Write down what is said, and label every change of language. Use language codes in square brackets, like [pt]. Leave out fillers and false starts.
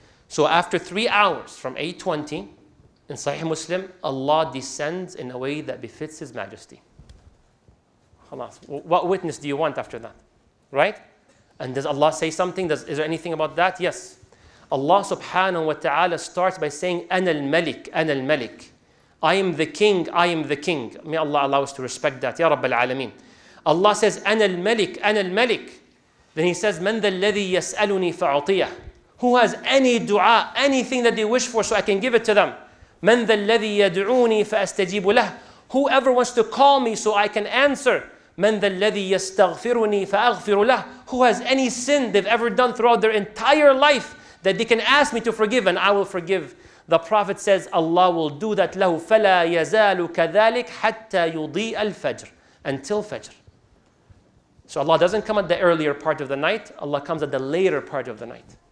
[en] So after 3 hours from 8:20 in Sahih Muslim, Allah descends in a way that befits His Majesty. Khalas. What witness do you want after that? Right? And does Allah say something? Is there anything about that? Yes. Allah subhanahu wa ta'ala starts by saying, [ar] أنا الملك, أنا الملك. [en] I am the king, I am the king. May Allah allow us to respect that. Ya Rabbal Alameen. Allah says, [ar] أنا الملك, أنا الملك. [en] Then He says, [ar] من ذا الذي يسألني فأعطيه. [en] Who has any dua, anything that they wish for so I can give it to them? [ar] من ذا الذي يدعوني فأستجيب له. [en] Whoever wants to call me so I can answer. [ar] من ذا الذي يستغفرني فأغفر له. [en] Who has any sin they've ever done throughout their entire life that they can ask me to forgive and I will forgive. The Prophet says, Allah will do that [ar] له فلا يزال كذلك حتى يضيء الفجر. [en] Until Fajr. So Allah doesn't come at the earlier part of the night. Allah comes at the later part of the night.